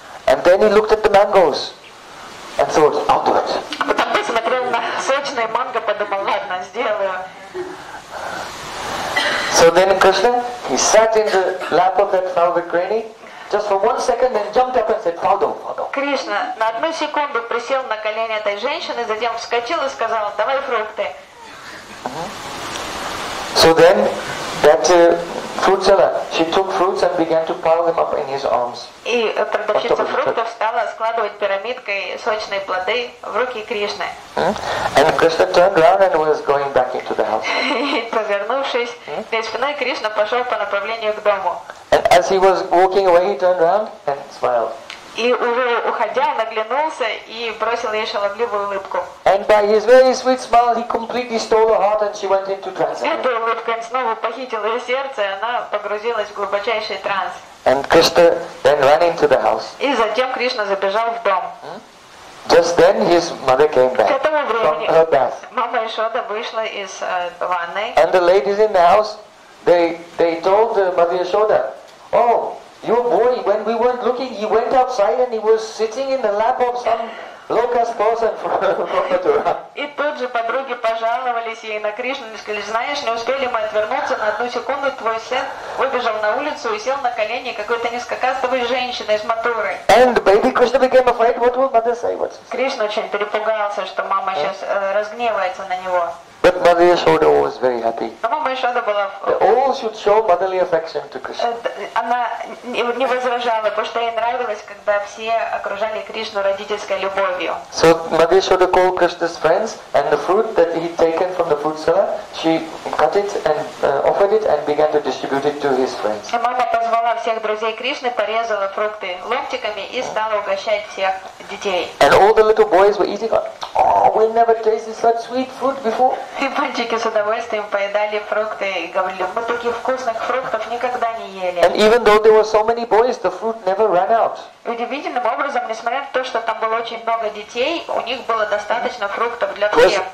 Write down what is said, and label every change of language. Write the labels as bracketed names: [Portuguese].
[English] And then he looked at the mangoes and thought, I'll do it. [Russian] Потом посмотрел на сочные манго, подумал, ладно, сделаю. [English] So then Krishna, he sat in the lap of that Falvikrini just for one second and jumped up and said, Faldo. [Russian] Кришна на одну секунду присел на колени этой женщины, затем вскочил и сказал, давай фрукты. [English] So then that fruits. She took fruits and began to pile them up in his arms. [Russian] И продавщица фруктов стала складывать пирамидкой сочные плоды в руки Кришны. [English] And Krishna turned around and was going back into the house. [Russian] И повернувшись, перед спиной Кришна пошел по направлению к дому. [English] And as he was walking away, he turned around and smiled. [Russian] И уже уходя, он оглянулся и бросил ей шаловливую улыбку. [English] And by his very sweet smile, he completely stole her heart, and she went into trance. [Russian] Эта улыбка снова похитила ее сердце, и она погрузилась в глубочайший транс. [English] And Krishna then ran into the house. [Russian] И затем Кришна забежал в дом. [English] Just then his mother came back. [Russian] К этому времени [English] from her bath. [Russian] Мама Ишода вышла из ванной. [English] And the ladies in the house, they told Mother Ishoda, oh. Your boy, when we weren't looking, he went outside and he was sitting in the lap of some lotus person from the Dura. [Russian] И тут же подруги пожаловались ей на Кришну и сказали, знаешь, не успели мы отвернуться на одну секунду, твой сын выбежал на улицу и сел на колени какой-то низкокастовой женщины из Матуры. [English] And baby Krishna became afraid. What will mother say? What? [Russian] Кришна очень перепугался, что мама сейчас разгневается на него. [English] But Mother Yashoda was very happy. [Russian] Мама Ишода была. [English] All should show motherly affection to Krishna. [Russian] Она не возражала, потому что ей нравилось, когда все окружали Кришну родительской любовью. [English] So Mother Yashoda called Krishna's friends, and the fruit that he'd taken from the fruit cellar, she cut it and offered it and began to distribute it to his friends. [Russian] И мама позвала всех друзей Кришны, порезала фрукты ломтиками и стала угощать всех детей. [English] And all the little boys were eating. Oh, we never tasted such sweet fruit before. [Russian] И мальчики с удовольствием поедали фрукты и говорили, мы таких вкусных фруктов никогда не ели. [English] And even though there were so many boys, the fruit never ran out. [Russian] Удивительным образом, несмотря на то, что там было очень много детей, у них было достаточно фруктов для всех.